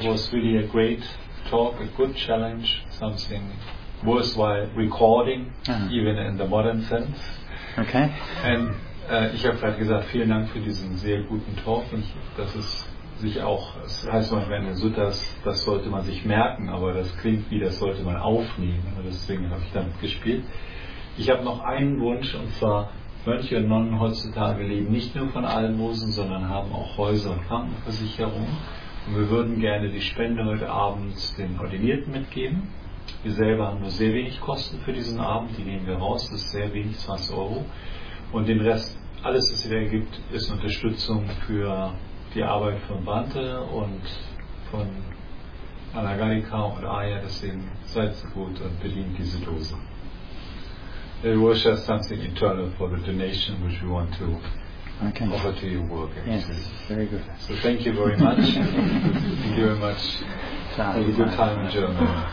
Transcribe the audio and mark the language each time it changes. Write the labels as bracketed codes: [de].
[en] That was really a great talk, a good challenge, something worthwhile recording, even in the modern sense. Okay. [de] And ich habe gerade gesagt, vielen Dank für diesen sehr guten Talk. Und das ist sich auch, es das heißt manchmal in den Suttas, das sollte man sich merken, aber das klingt wie, das sollte man aufnehmen. Und deswegen habe ich damit gespielt. Ich habe noch einen Wunsch, und zwar: Mönche und Nonnen heutzutage leben nicht nur von Almosen, sondern haben auch Häuser und Krankenversicherung. Und wir würden gerne die Spende heute Abend den Ordinierten mitgeben. Wir selber haben nur sehr wenig Kosten für diesen Abend, die nehmen wir raus, das ist sehr wenig, 20 Euro. Und den Rest, alles was es wieder gibt, ist Unterstützung für die Arbeit von Bante und von Anagarika und Aya, deswegen seid so gut und bedient diese Dose. [en] It was just something internal for the donation which we want to Okay. Over to you, Burke. Yes, very good. So thank you very much. Thank you very much. Have a good time in Germany.